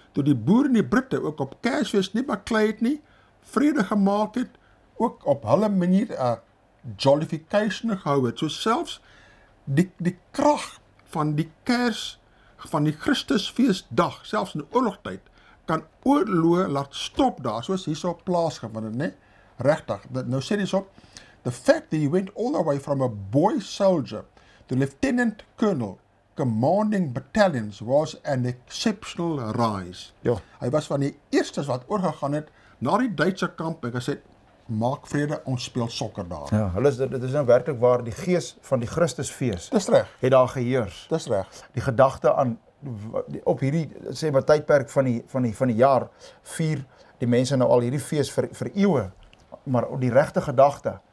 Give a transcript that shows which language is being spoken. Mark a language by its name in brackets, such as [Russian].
[Afrikaans] Toe die boere en die Britte ook op Kersfees nie beklei het nie, vrede gemaak het, ook op hulle manier 'n jollification gehou het. So selfs die krag van die Kers, van die Christusfeesdag, selfs in die oorlogtyd, kan oorloë laat stop daar, soos hier so plaasgevind het, nee? Regtig. Nou sê dis op, [English] the fact that he went all the way from a boy soldier to lieutenant colonel commanding battalions was an exceptional rise. [Afrikaans] Ja. Hy was van die eerstes wat oorgegaan het na die Duitse kamp en gesê, maak vrede, ons speel sokker daar. Ja, hulle is, dit is nou werklik waar die gees van die Christusfees dis reg. Het daar geheers. Dis reg. Die gedagte aan op hierdie sê maar tydperk van die jaar vier die mense nou al hierdie fees vir eeue maar op die regte gedagte